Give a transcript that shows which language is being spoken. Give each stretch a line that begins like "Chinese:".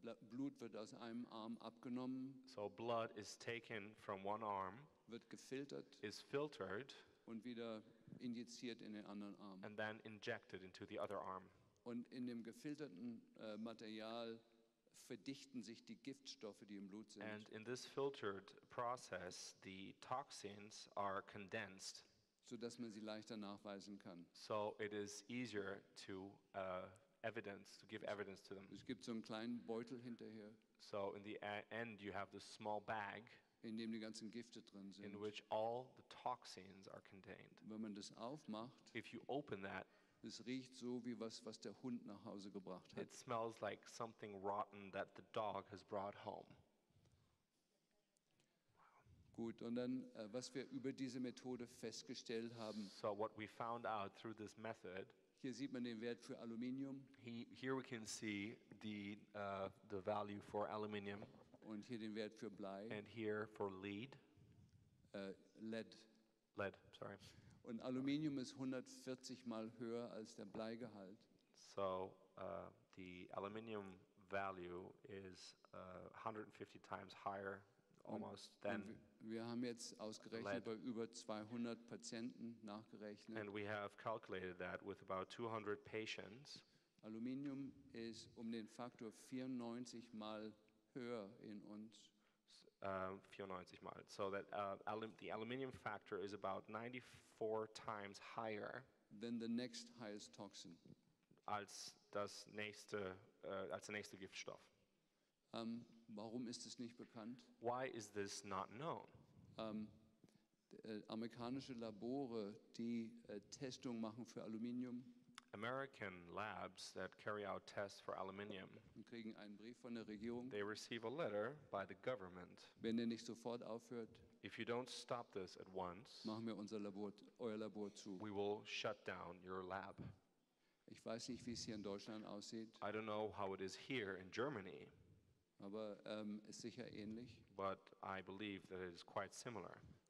German: Blut wird aus einem Arm abgenommen.
English: So blood is taken from one arm.
German: Wird gefiltert.
English: Is filtered.
German: Und wieder injiziert in den anderen Arm.
English: And then injected into the other arm.
German: Und in dem gefilterten Material verdichten sich die Giftstoffe, die im Blut sind.
English: And in this filtered process, the toxins are condensed,
German: so dass man sie leichter nachweisen kann.
English: So it is easier to evidence, to give evidence to them.
German: Es gibt so einen kleinen Beutel hinterher.
English: So in the end, you have this small bag,
German: in dem die ganzen Gifte drin sind,
English: in which all the toxins are contained.
German: Wenn man das aufmacht,
English: if you open that,
German: es riecht so wie was, was der Hund nach Hause gebracht hat.
English: It smells like something rotten that the dog has brought home.
German: Gut, und dann was wir über diese Methode festgestellt haben.
English: So what we found out through this method.
German: Hier sieht man den Wert für Aluminium.
English: Here we can see the value for aluminium.
German: Und hier den Wert für Blei.
English: And here for lead. Lead. Lead, sorry.
German: Und Aluminium ist 140 mal höher als der Bleigehalt.
English: So the aluminium value is 150 times higher almost than
German: wir haben jetzt ausgerechnet lead. Bei über 200 Patienten nachgerechnet.
English: And we have calculated that with about 200 patients.
German: Aluminium ist um den Faktor 94 mal höher in uns. 94 mal.
English: So that the aluminium factor is about 94 times higher than the next highest toxin.
German: Als der nächste Giftstoff. Warum ist es nicht bekannt?
English: Why is this not known?
German: Amerikanische Labore, die Testungen machen für Aluminium.
English: American labs that carry out tests for aluminium.
German: Kriegen einen Brief von der Regierung.
English: They receive a letter by the government.
German: Wenn ihr nicht sofort aufhört,
English: if you don't stop this at once,
German: machen wir unser Labor, euer Labor zu.
English: We will shut down your lab.
German: Ich weiß nicht, wie es hier in Deutschland aussieht.
English: I don't know how it is here in Germany.
German: Aber ist sicher ähnlich.
English: But I believe that it is quite similar.